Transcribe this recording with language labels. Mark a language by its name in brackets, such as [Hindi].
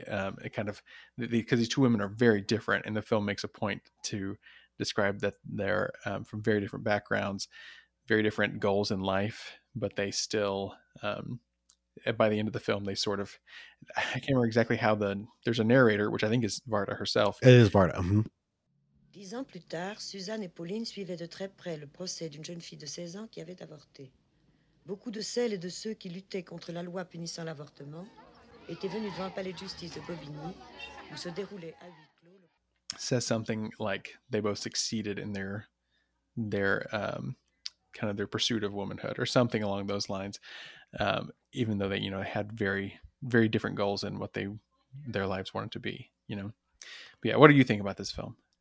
[English] It kind of, because these two women are very different, and the film makes a point to describe that they're from very different backgrounds, very different goals in life, but they still, by the end of the film, they sort of, I can't remember exactly how there's a narrator, which I think is Varda herself. It is Varda. Mm-hmm. [French] 10 ans plus tard, Suzanne et Pauline suivaient de très près le procès d'une jeune fille de 16 ans qui avait avorté. Beaucoup de celles et de ceux qui luttaient contre la loi punissant l'avortement étaient venus devant le palais de justice de Bobigny, où se déroulait à huis clos. [English] Says something like they both succeeded in their kind of their pursuit of womanhood or something along those lines, even though they, you know, had very, very different goals and what their lives wanted to be, you know. But yeah, what do you think about this film?